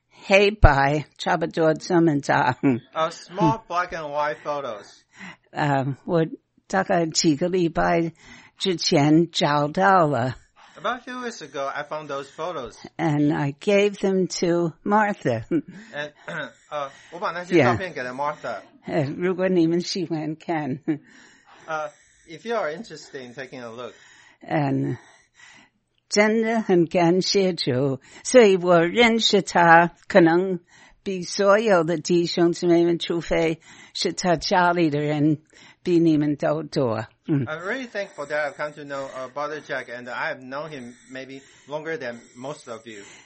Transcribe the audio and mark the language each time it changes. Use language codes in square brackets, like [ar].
[zh] 小小的黑白，差不多这么大。 [en] Small black and white photos. [zh] 我大概几个礼拜之前找到了。 [en] About a few weeks ago, I found those photos. And I gave them to Martha. [zh] And, 我把那些照片给了Martha. 如果你们喜欢看。 [en] If you are interested in taking a look. [zh] And, 真的很感谢主。所以我认识他可能比所有的弟兄姊妹们除非是他家里的人比你们都多。 [en] I'm really thankful that I've come to know Brother Jack, and I have known him maybe longer than most of you.